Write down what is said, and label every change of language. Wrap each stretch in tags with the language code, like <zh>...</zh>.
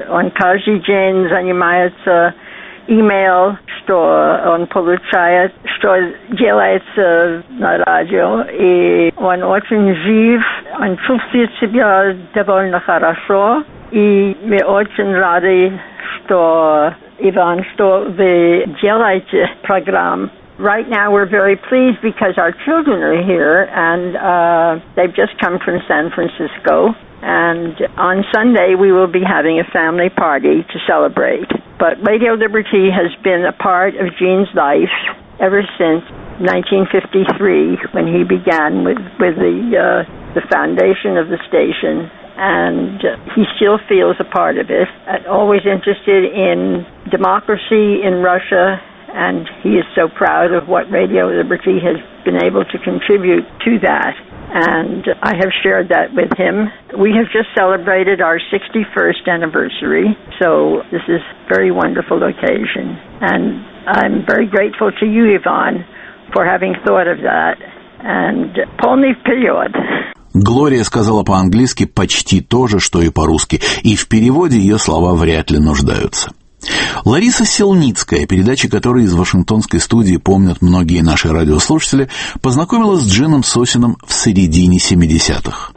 <ru>Он каждый день занимается email, что он получает, что делается на радио. И он очень жив, он чувствует себя довольно хорошо. И мы очень рады, что, Иван, что вы делаете программу.</ru> <en>Right now we're very pleased because our children are here and they've just come from San Francisco. And on Sunday we will be having a family party to celebrate. But Radio Liberty has been a part of Gene's life ever since 1953 when he began with the foundation of the station. And he still feels a part of it. Always interested in democracy in Russia. And he is so proud of what Radio Liberty has been able to contribute to that. And I have shared that with him. We have just celebrated our 61st anniversary, so this is a very wonderful occasion. And I'm very grateful to you, Yvonne, for having thought of that.</en> <ru>And полный вперед. Глория сказала по-английски почти то же, что и по-русски, и в переводе ее слова вряд ли нуждаются. Лариса Селницкая, передача которой из Вашингтонской студии помнят многие наши радиослушатели, познакомилась с Джином Сосиным в середине 70-х.</ru>